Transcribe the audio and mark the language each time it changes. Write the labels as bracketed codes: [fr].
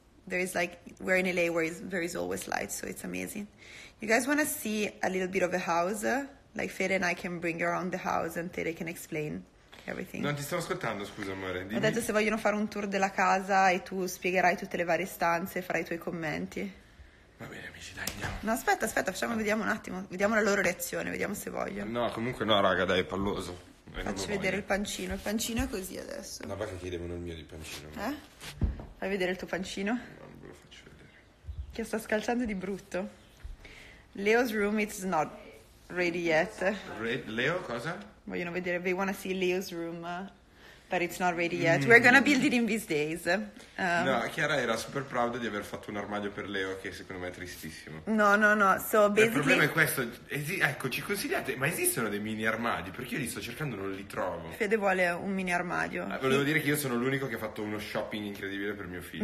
[en] There is like, we're in LA where there is always light, so it's amazing. You guys want to see a little bit of a house? Like Fede and I can bring around the house and Tere can explain everything. [it] Non ti sto ascoltando, scusa amore. Ho detto se vogliono fare un tour della casa e tu spiegherai tutte le varie stanze, farai i tuoi commenti. Va bene amici, dai, andiamo. No, aspetta, aspetta, facciamo, vediamo un attimo, vediamo la loro reazione, vediamo se vogliono. No, comunque no raga, dai, è palloso. Faccio vedere il pancino è così adesso. No, va che chiedevano il mio di pancino. Eh? Fai vedere il tuo pancino? No, non ve lo faccio vedere. Che sta scalciando di brutto. [en] Leo's room is not ready yet. [it] Leo, cosa? Vogliono vedere, [en] they wanna see Leo's room, but it's not ready yet. We're gonna build it in these days. [it] No, Chiara era [en] super proud [it] di aver fatto un armadio per Leo, che secondo me è tristissimo. [en] No, no, no, so basically... [it] Il problema è questo, ecco, ci consigliate, ma esistono dei mini armadi? Perché io li sto cercando e non li trovo. Fede vuole un mini armadio. Volevo dire che io sono l'unico che ha fatto uno shopping incredibile per mio figlio.